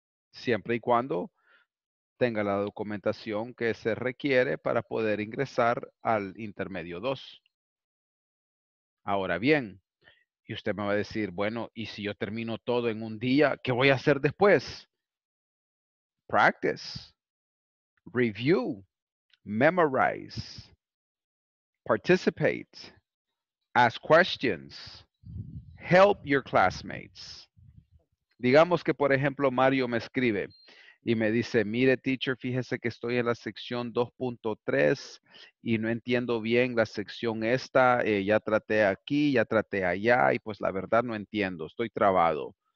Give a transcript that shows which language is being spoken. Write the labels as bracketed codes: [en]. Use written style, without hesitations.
[es] Siempre y cuando tenga la documentación que se requiere para poder ingresar al intermedio 2. Ahora bien, y usted me va a decir, bueno, ¿y si yo termino todo en un día, qué voy a hacer después? [en] Practice, review, memorize, participate, ask questions, help your classmates. [es] Digamos que, por ejemplo, Mario me escribe y me dice, mire, teacher, fíjese que estoy en la sección 2.3 y no entiendo bien la sección esta. Ya traté aquí, ya traté allá y pues la verdad no entiendo. Estoy trabado.